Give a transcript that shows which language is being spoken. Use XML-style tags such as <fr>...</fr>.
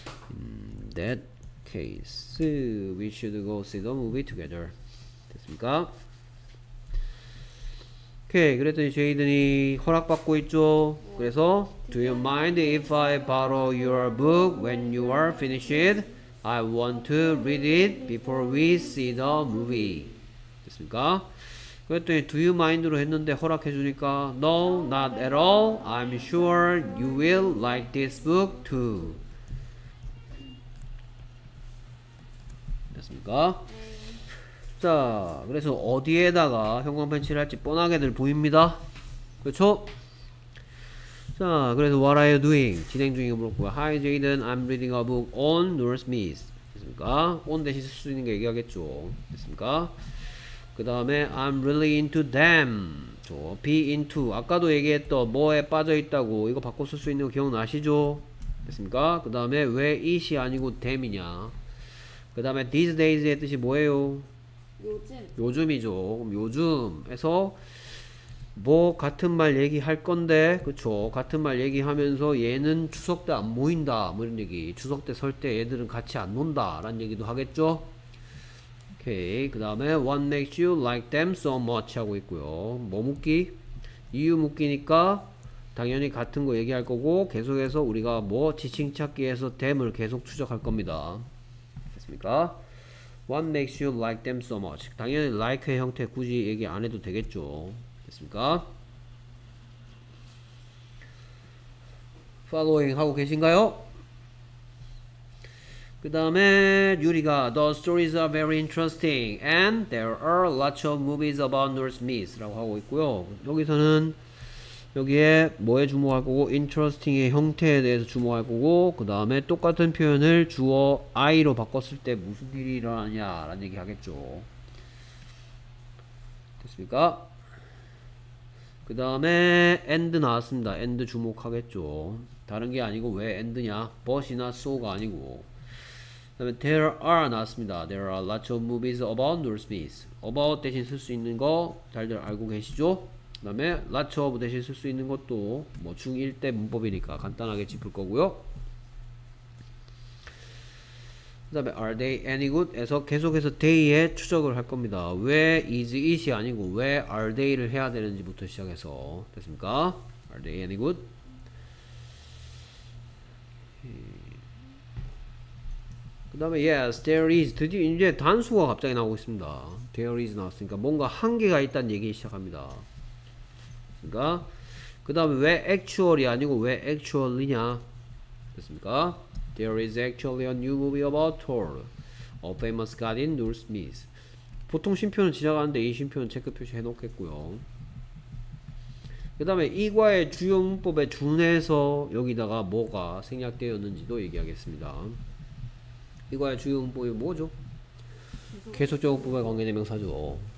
<en>In that case, we should go see the movie together.</en> <ko>됐습니까? 오케이, 그랬더니 제이든이 허락받고 있죠?</ko> <en>그래서 Do you mind if I borrow your book when you are finished? I want to read it before we see the movie.</en> <ko>됐습니까? 그랬더니</ko> <en>Do you mind로</en> <ko>했는데 허락해주니까</ko> <en>No, not at all. I'm sure you will like this book too.</en> <ko>됐습니까? 네. 자, 그래서 어디에다가 형광펜치를 할지 뻔하게들 보입니다. 그렇죠? 자, 그래서</ko> <en>What are you doing?</en> <ko>진행 중인가 물었고요.</ko> <en>Hi Jaden, I'm reading a book on Norse myths.</en> <ko>됐습니까? On 대신 쓸 수 있는 게 얘기하겠죠. 됐습니까? 그 다음에</ko> <en>I'm really into them.</en> <ko>저 be into 아까도 얘기했던 뭐에 빠져있다고 이거 바꿔 쓸 수 있는 거 기억나시죠? 됐습니까? 그 다음에 왜 it이 아니고 them이냐? 그 다음에</ko> <en>these days</en> <ko>의 뜻이 뭐예요? 요즘이죠. 그럼 요즘에서 뭐 같은 말 얘기할 건데 그쵸? 같은 말 얘기하면서 얘는 추석 때 안 모인다 뭐 이런 얘기 추석 때 설 때 얘들은 같이 안 논다 라는 얘기도 하겠죠? 오케이.</ko> <en>그 다음에 What makes you like them so much?</en> <ko>하고 있고요. 뭐 묻기? 이유 묻기니까 당연히 같은 거 얘기할 거고 계속해서 우리가 뭐 지칭찾기에서 them을 계속 추적할 겁니다. 됐습니까?</ko> <en>What makes you like them so much?</en> <ko>당연히 like의 형태 굳이 얘기 안 해도 되겠죠. 됐습니까? Following 하고 계신가요? 그 다음에 유리가</ko> <en>The stories are very interesting and there are lots of movies about Norse myths</en> <ko>라고 하고 있고요. 여기서는 여기에 뭐에 주목할 거고 interesting의 형태에 대해서 주목할 거고 그 다음에 똑같은 표현을 주어 I로 바꿨을 때 무슨 일이 일어나냐 라는 얘기 하겠죠. 됐습니까? 그 다음에 and 나왔습니다. and 주목하겠죠. 다른 게 아니고 왜 and냐 but이나 so가 아니고 그 다음에 there are 나왔습니다.</ko> <en>There are lots of movies about Norse myths.</en> <ko>About 대신 쓸 수 있는 거 잘들 알고 계시죠? 그 다음에 lots of 대신 쓸 수 있는 것도 뭐 중1 때 문법이니까 간단하게 짚을 거고요. 그 다음에</ko> <en>are they any good?</en> <ko>에서 계속해서 they에 추적을 할 겁니다. 왜 is it이 아니고 왜 are they를 해야 되는지부터 시작해서 됐습니까?</ko> <en>Are they any good?</en> <ko>그 다음에</ko> <en>yes, there is.</en> <ko>드디어 이제 단수가 갑자기 나오고 있습니다. There is 나왔으니까 뭔가 한계가 있다는 얘기 시작합니다. 됐습니까? 그 다음에 왜 actual이 아니고 왜 actually냐? 됐습니까?</ko> <en>There is actually a new movie about Thor. A famous god in Norse myths.</en> <ko>보통 쉼표는 지나가는데 이 쉼표는 체크표시 해놓겠고요. 그 다음에 이과의 주요 문법에 준해서 여기다가 뭐가 생략되었는지도 얘기하겠습니다. 이과의 주요 문법이 뭐죠? 계속적 문법의 관계대명사죠.</ko>